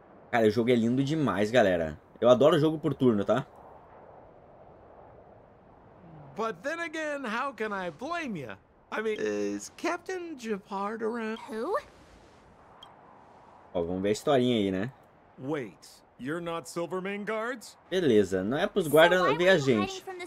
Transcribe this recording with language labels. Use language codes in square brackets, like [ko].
[pt] Cara, o jogo é lindo demais, galera. Eu adoro jogo por turno, tá? [en] But then again, how can I blame you? I mean, is Captain Jepard around? Who? [pt] Ó, vamos ver a historinha aí, né? [en] Wait, you're not Silvermane guards? [pt] Beleza, não é pros guardas ver a gente.